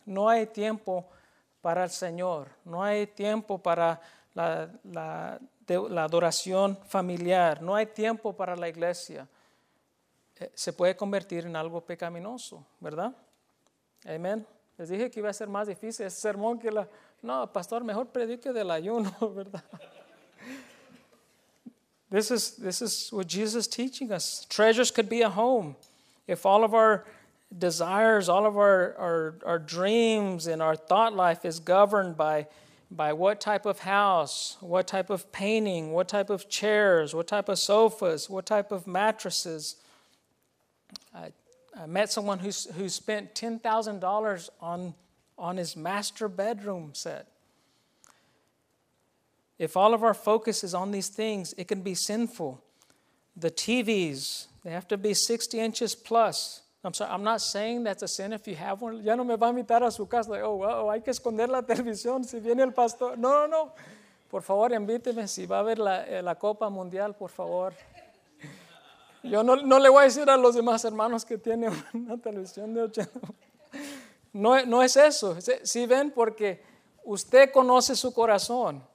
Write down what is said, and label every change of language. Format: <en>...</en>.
<es>No hay tiempo para el Señor. No hay tiempo para la adoración familiar. No hay tiempo para la iglesia. Se puede convertir en algo pecaminoso, ¿verdad? Amén. Les dije que iba a ser más difícil ese sermón que la... No, pastor, mejor predique del ayuno, ¿verdad?</es> <en>This is what Jesus is teaching us. Treasures could be a home. If all of our desires, all of our dreams and our thought life is governed by what type of house, what type of painting, what type of chairs, what type of sofas, what type of mattresses. I met someone who spent $10,000 on his master bedroom set. If all of our focus is on these things, it can be sinful. The TVs, they have to be 60 inches plus. I'm sorry, I'm not saying that's a sin if you have one.</en> <es>Ya no me va a invitar a su casa.</es> <en>Like,</en> <es>oh, hay que esconder la televisión si viene el pastor. No. Por favor, invíteme si va a ver la Copa Mundial, por favor. Yo no le voy a decir a los demás hermanos que tiene una televisión de 80. No es eso. Sí ven, porque usted conoce su corazón.</es>